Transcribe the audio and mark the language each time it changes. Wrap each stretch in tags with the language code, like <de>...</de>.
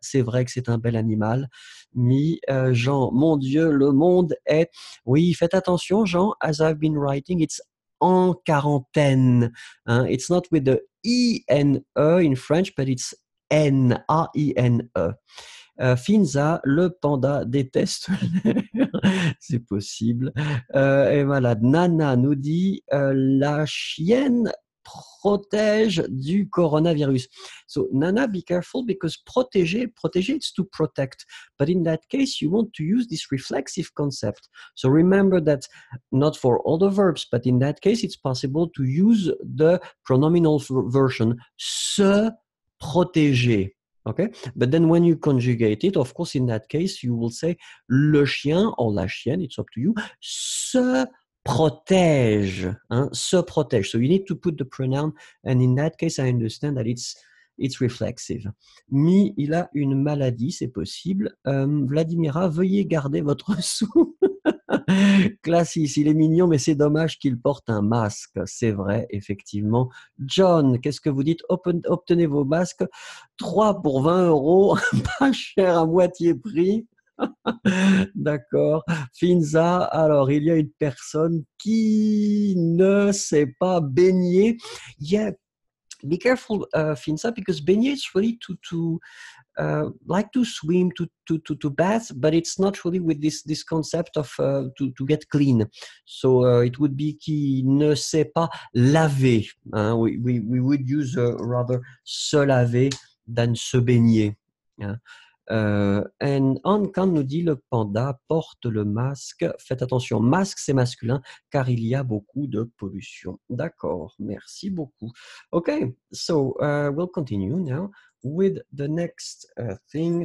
<fr>C'est vrai que c'est un bel animal. Mi, Jean, mon Dieu, le monde est... Oui, faites attention, Jean.</fr> <en>As I've been writing, it's</en> <fr>en quarantaine. Hein?</fr> <en>It's not with the I-N-E in French, but it's N-A-I-N-E.</en> <fr>Finza, le panda déteste l'air. C'est possible. Et voilà, Nana nous dit la chienne protège du coronavirus.</fr> <en>So, Nana, be careful because protéger, it's to protect. But in that case, you want to use this reflexive concept. So, remember that not for all the verbs, but in that case, it's possible to use the pronominal version, se protéger. Okay? But then when you conjugate it, of course, in that case, you will say</en> <fr>le chien</fr> <en>or</en> <fr>la chienne,</fr> <en>it's up to you,</en> <fr>se protège, hein? Se protège.</fr> <en>So you need to put the pronoun, and in that case, I understand that it's reflexive.</en> <fr>Mi, il a une maladie, c'est possible. Vladimira, veuillez garder votre sou. Classis, il est mignon, mais c'est dommage qu'il porte un masque. C'est vrai, effectivement. John, qu'est-ce que vous dites? Obtenez vos masques. 3 pour 20 euros, pas cher, à moitié prix. D'accord. Finza, alors il y a une personne qui ne s'est pas baignée.</fr> <en>Yeah, be careful, Finza, because baigner is really to swim, to bath, but it's not really with this concept of to get clean. So it would be</en> <fr>qui ne s'est pas lavé. Hein?</fr> <en>We would use rather</en> <fr>se laver</fr> <en>than</en> <fr>se baigner. Hein?</fr> <en>And</en> <fr>Anne Kahn nous dit le panda porte le masque. Faites attention, masque c'est masculin car il y a beaucoup de pollution. D'accord, merci beaucoup.</fr> <en>Okay, so we'll continue now with the next thing.</en>